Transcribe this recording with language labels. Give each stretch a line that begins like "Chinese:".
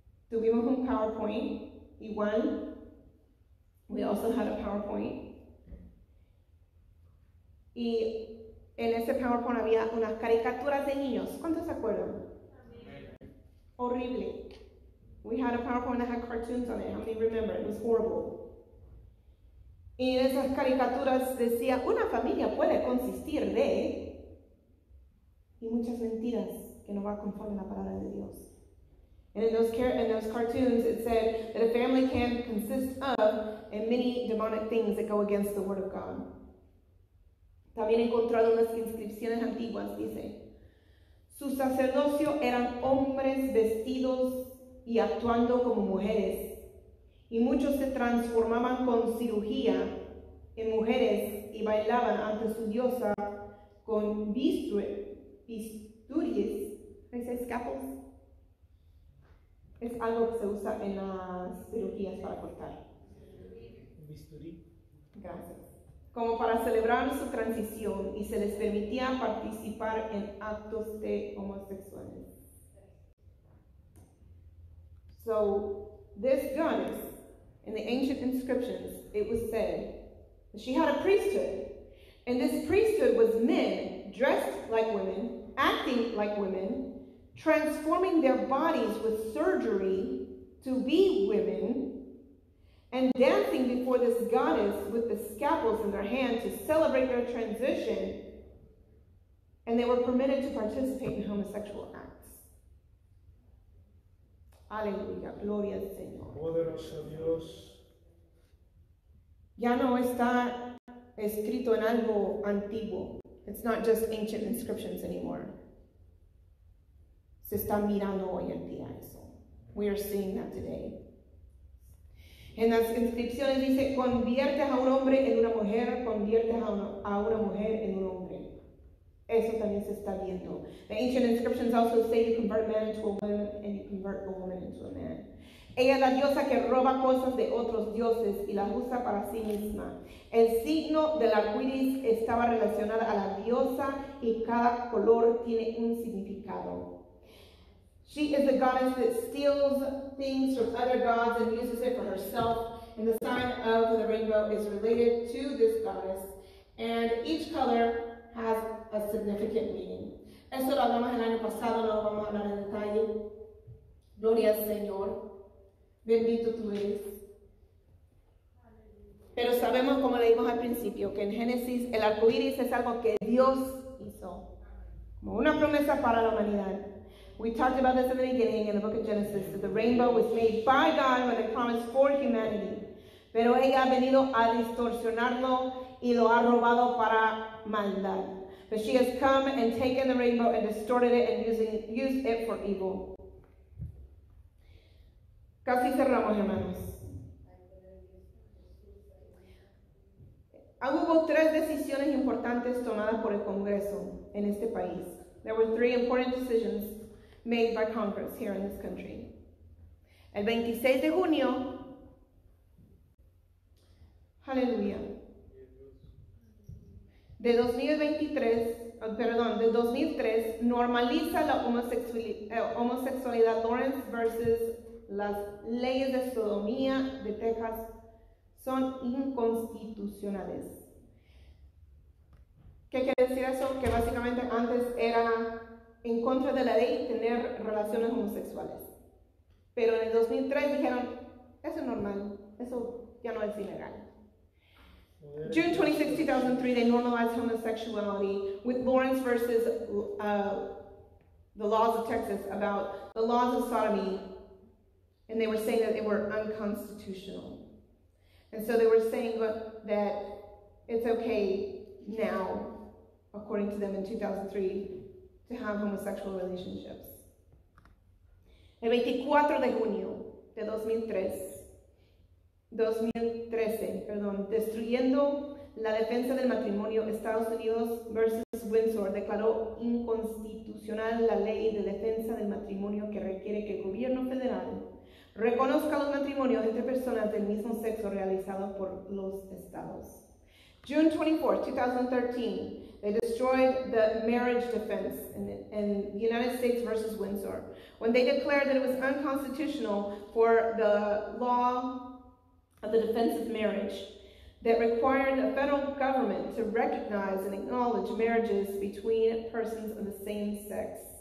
Spanish: Tuvimos un PowerPoint, igual,
English: we also had a PowerPoint,
Spanish: y en ese PowerPoint había unas caricaturas de niños, ¿cuántos se acuerdan? Horrible.
English: We had a PowerPoint that had cartoons on it, how many remember? It was horrible.
Spanish: Y en esas caricaturas decía, una familia puede consistir de, y muchas mentiras que no va conforme a la palabra de Dios.
English: And in those cartoons, it said that a family can consist of and many demonic things that go against the word of God.
Spanish: También encontrado unas inscripciones antiguas, dice, su sacerdocio eran hombres vestidos y actuando como mujeres, y muchos se transformaban con cirugía en mujeres y bailaban ante su diosa con bisturis. ¿Dice escapos? Es algo que se usa en las cirugías para cortar. Bisturí. Gracias. Como para celebrar su transición y se les permitía participar en actos de homosexuales.
English: So, this goddess, in the ancient inscriptions, it was said that she had a priesthood. And this priesthood was men dressed like women, acting like women, transforming their bodies with surgery to be women, and dancing before this goddess with the scalpels in their hand to celebrate their transition, and they were permitted to participate in homosexual acts.
Spanish: Aleluya, gloria al Señor. Poderoso Dios. Ya no está escrito en algo antiguo.
English: It's not just ancient inscriptions anymore.
Spanish: Se están mirando hoy en día eso.
English: We are seeing that today.
Spanish: En las inscripciones dice, conviertes a un hombre en una mujer, conviertes a una mujer en un hombre. Eso también se está viendo.
English: The ancient inscriptions also say you convert man into a woman and you convert a woman into a man.
Spanish: Ella es la diosa que roba cosas de otros dioses y las usa para sí misma. El signo del arcoíris estaba relacionado a la diosa y cada color tiene un significado.
English: She is the goddess that steals things from other gods and uses it for herself. And the sign of the rainbow is related to this goddess. And each color has a significant meaning.
Spanish: Eso lo hablamos el año pasado, no lo vamos a hablar en detalle. Gloria al Señor. Bendito tú eres. Pero sabemos, como leímos al principio, que en Génesis el arco iris es algo que Dios hizo. hizo. Como una promesa para la humanidad.
English: We talked about this in the beginning in the book of Genesis, that the rainbow was made by God with a promise for humanity.
Spanish: Pero ella ha venido a distorsionarlo y lo ha robado para maldad.
English: But she has come and taken the rainbow and distorted it and used it for evil.
Spanish: Casi cerramos, hermanos. Hubo tres decisiones importantes tomadas por el Congreso en este país.
English: There were three important decisions made by Congress here in this country.
Spanish: El 26 de junio, aleluya, de 2003, normaliza la homosexualidad Lawrence versus las leyes de sodomía de Texas son inconstitucionales. ¿Qué quiere decir eso? Que básicamente antes era en contra de la ley tener relaciones homosexuales. Pero en el 2003 dijeron, eso es normal, eso ya no es ilegal.
English: June 26, 2003, they normalized homosexuality with Lawrence versus the laws of Texas about the laws of sodomy, and they were saying that they were unconstitutional. And so they were saying that it's okay now, according to them in 2003, to have homosexual relationships.
Spanish: El 24 de junio de 2013, destruyendo la defensa del matrimonio, Estados Unidos versus Windsor declaró inconstitucional la ley de defensa del matrimonio que requiere que el gobierno federal reconozca los matrimonios entre personas del mismo sexo realizados por los estados.
English: June 24, 2013, they destroyed the marriage defense in the United States versus Windsor when they declared that it was unconstitutional for the law of the defense of marriage that required the federal government to recognize and acknowledge marriages between persons of the same sex.